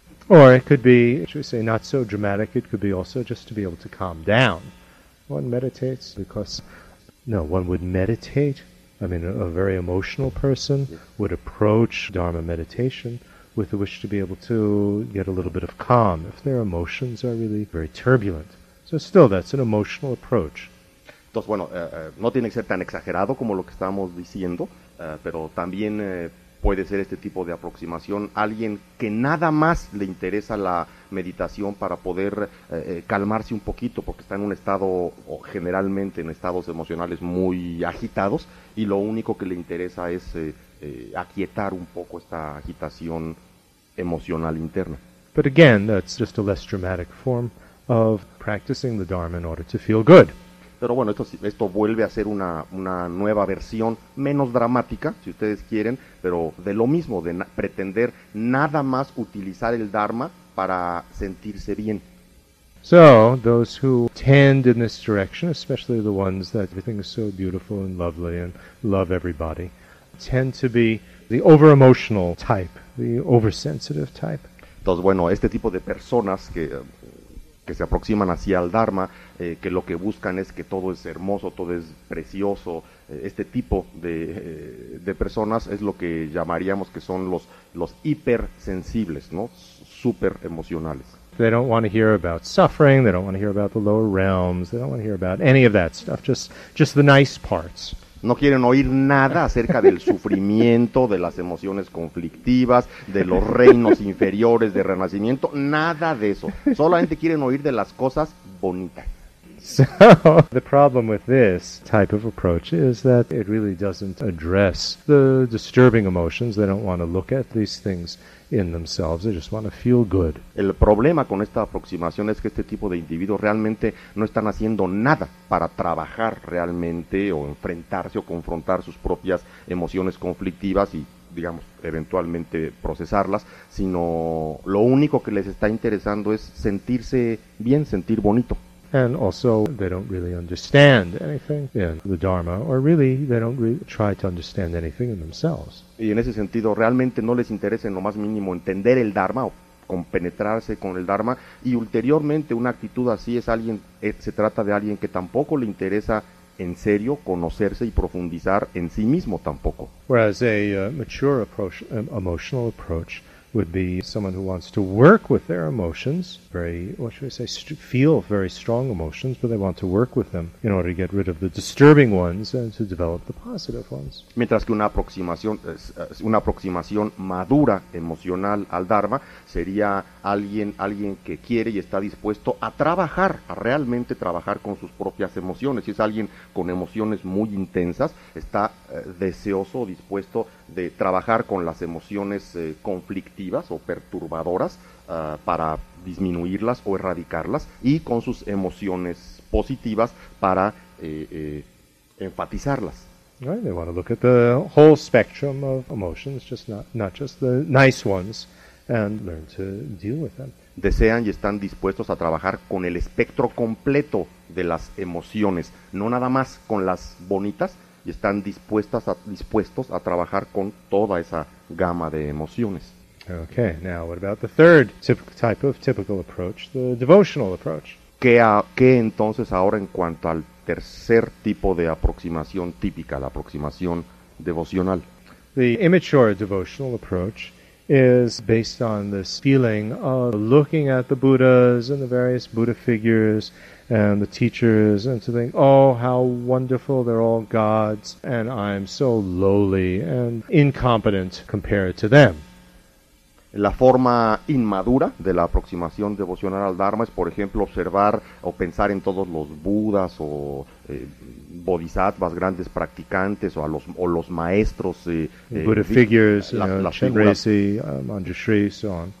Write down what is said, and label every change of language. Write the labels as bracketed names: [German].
[English] Or it could be, should we say, not so dramatic, it could be also just to be able to calm down. One meditates because, no, one would meditate. I mean, a very emotional person would approach Dharma meditation with the wish to be able to get a little bit of calm if their emotions are really very turbulent. So still, that's an emotional approach. [Spanish] Entonces, bueno, no tiene que ser tan exagerado como lo que estamos diciendo, pero también puede ser este tipo de aproximación. Alguien que nada más le interesa la meditación para poder calmarse un poquito porque está en un estado, o generalmente en estados emocionales muy agitados, y lo único que le interesa es aquietar un poco esta agitación emocional interna. [English] But again, that's just a less dramatic form of practicing the Dharma in order to feel good. [Spanish] Pero bueno, esto vuelve a ser una nueva versión, menos dramática, si ustedes quieren, pero de lo mismo, de pretender nada más utilizar el Dharma para sentirse bien. [English] So, those who tend in this direction, especially the ones that everything is so beautiful and lovely and love everybody, tend to be the over-emotional type, the oversensitive type. [Spanish] Entonces, bueno, este tipo de personas que se aproximan así al Dharma, que lo que buscan es que todo es hermoso, todo es precioso, este tipo de personas es lo que llamaríamos que son los hipersensibles, ¿no? Super emocionales. [English] They don't want to hear about suffering, they don't want to hear about the lower realms, they don't want to hear about any of that stuff, just the nice parts. [Spanish] No quieren oír nada acerca del sufrimiento, de las emociones conflictivas, de los reinos inferiores, de renacimiento, nada de eso. Solamente quieren oír de las cosas bonitas. [English] So, the problem with this type of approach is that it really doesn't address the disturbing emotions. They don't want to look at these things in themselves. They just want to feel good. [Spanish] El problema con esta aproximación es que este tipo de individuos realmente no están haciendo nada para trabajar realmente o enfrentarse o confrontar sus propias emociones conflictivas y, digamos, eventualmente procesarlas, sino lo único que les está interesando es sentirse bien, sentir bonito. [English] And also, they don't really understand anything in the Dharma, or really, they don't really try to understand anything in themselves. [Spanish] Y en ese sentido, realmente no les interesa en lo más mínimo entender el Dharma o compenetrarse con el Dharma. Y ulteriormente, una actitud así es alguien, se trata de alguien que tampoco le interesa en serio conocerse y profundizar en sí mismo tampoco. [English] Whereas a mature approach, emotional approach, would be someone who wants to work with their emotions, feel very strong emotions, but they want to work with them in order to get rid of the disturbing ones and to develop the positive ones. [Spanish] Mientras que una aproximación madura emocional al Dharma sería alguien que quiere y está dispuesto a trabajar, a realmente trabajar con sus propias emociones. Si es alguien con emociones muy intensas, está deseoso o dispuesto de trabajar con las emociones conflictivas o perturbadoras para disminuirlas o erradicarlas, y con sus emociones positivas para enfatizarlas. [English] Right, they want to look at the whole spectrum of emotions, just not just the nice ones, and learn to deal with them. [Spanish] Desean y están dispuestos a trabajar con el espectro completo de las emociones, no nada más con las bonitas, y están dispuestos a trabajar con toda esa gama de emociones. [English] Okay, now what about the third type of typical approach, the devotional approach? [Spanish] ¿Qué entonces ahora en cuanto al tercer tipo de aproximación típica, la aproximación devocional? [English] The immature devotional approach is based on this feeling of looking at the Buddhas and the various Buddha figures and the teachers, and to think, oh, how wonderful, they're all gods, and I'm so lowly and incompetent compared to them. [Spanish] La forma inmadura de la aproximación devocional al Dharma es, por ejemplo, observar o pensar en todos los Budas o bodhisattvas, grandes practicantes, o los maestros. [English] Buddha figures, Chenrezig, Manjushri, so on.